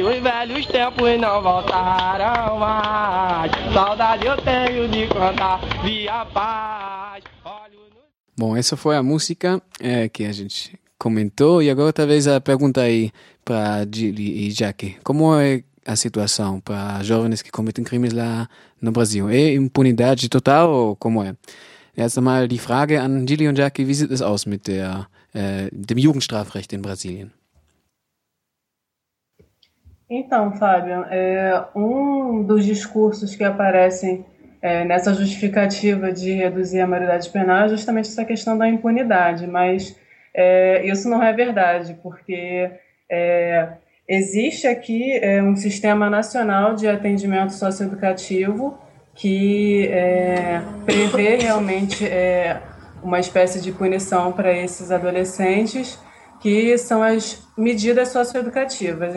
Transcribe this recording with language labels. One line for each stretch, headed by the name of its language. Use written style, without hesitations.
Portuguese: Os velhos tempos não voltarão mais, saudade eu tenho de cantar via paz. Bom, essa foi a música que a gente comentou, e agora talvez a pergunta aí para Dili e Jackie. Como é a situação para jovens que cometem crimes lá no Brasil? É impunidade total ou como é?
German: Erst einmal die Frage an Dili und Jackie, wie sieht es aus mit der dem Jugendstrafrecht in Brasilien?
Portuguese: Então, Fábio, dos discursos que aparecem nessa justificativa de reduzir a maioridade penal é justamente essa questão da impunidade, mas isso não é verdade, porque existe aqui um sistema nacional de atendimento socioeducativo que prevê realmente uma espécie de punição para esses adolescentes, que são as medidas socioeducativas.